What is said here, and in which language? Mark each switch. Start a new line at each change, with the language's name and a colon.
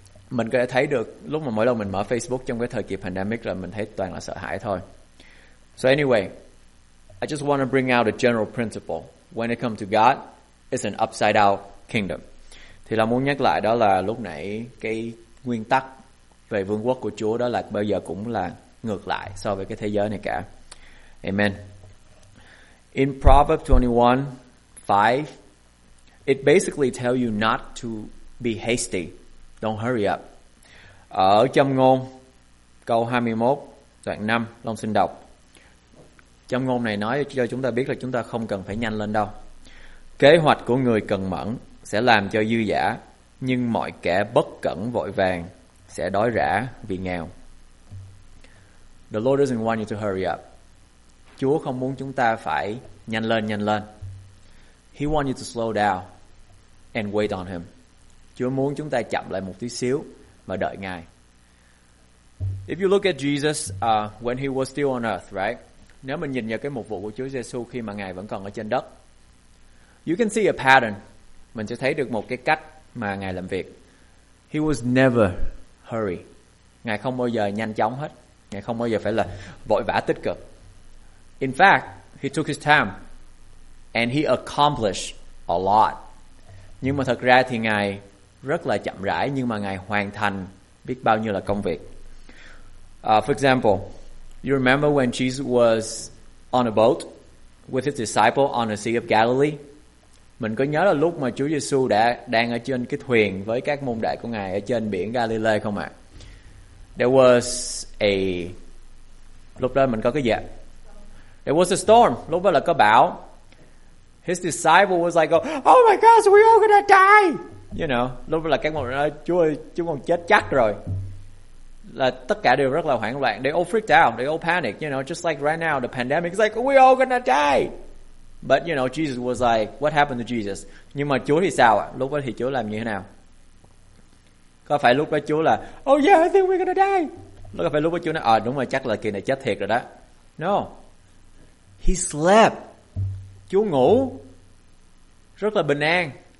Vietnamese: Mình có thể thấy được lúc mà mỗi lần mình mở Facebook trong cái thời kỳ pandemic là mình thấy toàn là sợ hãi thôi.
English: So anyway, I just want to bring out a general principle. When it comes to God, it's an upside down kingdom.
Vietnamese: Thì là muốn nhắc lại đó là lúc nãy cái nguyên tắc về vương quốc của Chúa đó là bây giờ cũng là ngược lại so với cái thế giới này cả.
English: Amen. In Proverbs 21:5, it basically tells you not to be hasty. Don't hurry up.
Vietnamese: Ở Châm Ngôn câu 21 đoạn 5, Long xin đọc. Châm Ngôn này nói cho chúng ta biết là chúng ta không cần phải nhanh lên đâu. Kế hoạch của người cần mẫn sẽ làm cho dư dả, nhưng mọi kẻ bất cẩn vội vàng sẽ đói rã vì nghèo.
English: The Lord doesn't want you to hurry up.
Vietnamese: Chúa không muốn chúng ta phải nhanh lên.
English: He wants you to slow down and wait on him.
Vietnamese: Chúa muốn chúng ta chậm lại một tí xíu và đợi Ngài.
English: If you look at Jesus when he was still on earth, right?
Vietnamese: Nếu mình nhìn vào cái mục vụ của Chúa Giê-xu khi mà Ngài vẫn còn ở trên đất,
English: you can see a pattern.
Vietnamese: Mình sẽ thấy được một cái cách mà Ngài làm việc.
English: He was never hurry.
Vietnamese: Ngài không bao giờ nhanh chóng hết. Ngài không bao giờ phải là vội vã tích cực.
English: In fact, he took his time and he accomplished a lot.
Vietnamese: Nhưng mà thật ra thì Ngài rất là chậm rãi, nhưng mà Ngài hoàn thành biết bao nhiêu là công việc.
English: For example, you remember when Jesus was on a boat with his disciple on the Sea of Galilee?
Vietnamese: Mình có nhớ là lúc mà Chúa Giê-xu đã đang ở trên cái thuyền với các môn đệ của Ngài ở trên biển Galilee không ạ?
English: There was a
Vietnamese: lúc đó mình có cái gì?
English: There was a storm.
Vietnamese: Lúc đó là có bão.
English: His disciple was like, "Oh my gosh, we all gonna die."
Vietnamese: You know, lúc đó là các môn đệ Chúa chúng con chết chắc rồi. Là tất cả đều rất là hoảng loạn.
English: They all freaked out. They all panicked. You know, just like right now, the pandemic is like, "We all gonna die." But you know, Jesus was like, "What happened to Jesus?"
Vietnamese: Nhưng mà Chúa thì sao ạ? Lúc đó thì Chúa làm như thế nào? Có phải lúc đó Chúa là,
English: "Oh yeah, I think we're gonna die."
Vietnamese: Lúc có phải lúc đó Chúa nói, "À đúng rồi, chắc là kỳ này chết thiệt rồi đó."
English: No. He slept.
Vietnamese: Chúa ngủ. Rất là bình an.